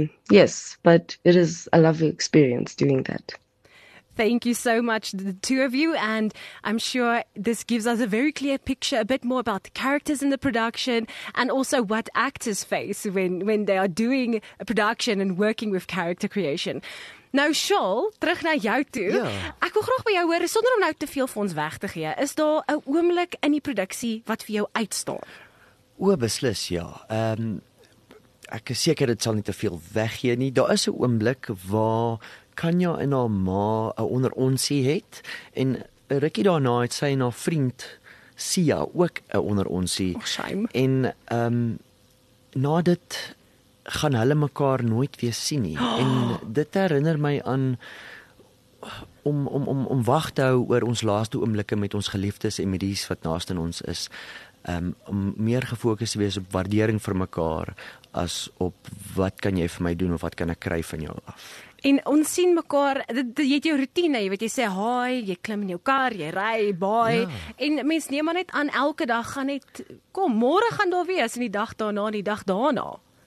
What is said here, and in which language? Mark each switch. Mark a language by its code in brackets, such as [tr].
[en] Yes, but it is a lovely experience doing that. Thank you so much, the two of you. And I'm sure this gives us a very clear picture, a bit more about the characters in the production and also what actors face when they are doing a production and working with character creation. [af] Nou, Shaul, terug na jou toe. Ja. Ek wil graag by jou hoor, sonder om nou te veel vir ons weg te gee, is daar 'n oomblik in die produksie wat vir jou uitstaan? O, beslis, ja. Ek is seker dit sal nie te veel weggee nie. Daar is 'n oomblik waar Kanya en haar ma 'n onderonsie het en rukkie daarna het sy en haar vriend Sia ook 'n onderonsie. Oh, shame. En na dit gaan hulle mekaar nooit weer sien nie. En dit herinner my aan om wag te hou oor ons laaste oomblikke met ons geliefdes en met dies wat naaste aan ons is. Om meer gefokus te wees op waardering vir mekaar as op wat kan jy vir my doen of wat kan ek kry van jou af. En ons sien mekaar, jy het jou routine, jy weet, jy sê hi, jy klim in jou kar, jy ry, bye. Ja. En mens neem maar net aan elke dag gaan net kom, môre gaan daar wees en die dag daarna en die dag daarna.